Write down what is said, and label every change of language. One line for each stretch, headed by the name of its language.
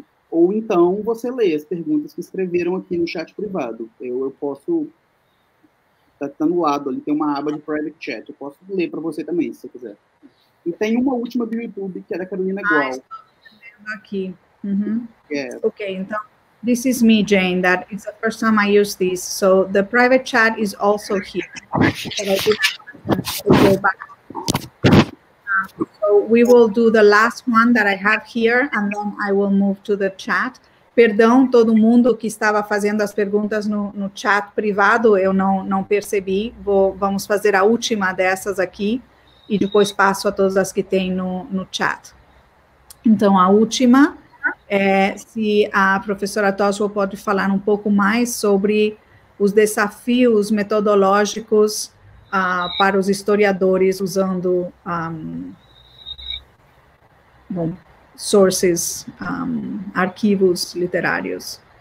Portuguese: Ou então você lê as perguntas que escreveram aqui no chat privado. Eu posso... Está no lado ali, tem uma aba de private chat. Eu posso ler para você também, se você quiser. E tem uma última do YouTube, que é da Carolina Gual. Estou entendendo aqui. Uhum. Ok, então,
English: this is me, Jane, that is the first time I use this. So, the private chat is also here. So, we will do the last one that I have here, and then I will move to the chat.
Portuguese: Perdão, todo mundo que estava fazendo as perguntas no chat privado, eu não percebi. Vamos fazer a última dessas aqui e depois passo a todas as que tem no chat. Então, a última é se a professora Toswell pode falar um pouco mais sobre os desafios metodológicos para os historiadores usando sources, arquivos literários.